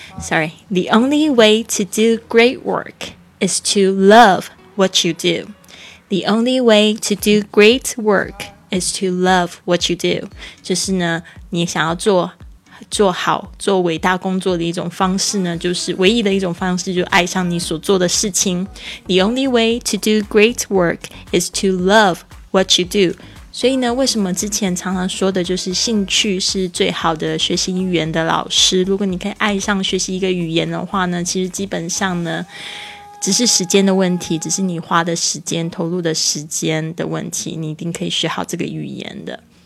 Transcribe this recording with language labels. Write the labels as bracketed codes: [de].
[en] Sorry, the only way to do great work is to love what you do. The only way to do great work is to love what you do. [zh] 就是呢，你想要做好，做伟大工作的一种方式呢，就是唯一的一种方式，就是爱上你所做的事情。 [en] The only way to do great work is to love what you do. [zh] 所以呢，为什么之前常常说的就是兴趣是最好的学习语言的老师，如果你可以爱上学习一个语言的话呢，其实基本上呢只是时间的问题，只是你花的时间投入的时间的问题，你一定可以学好这个语言的。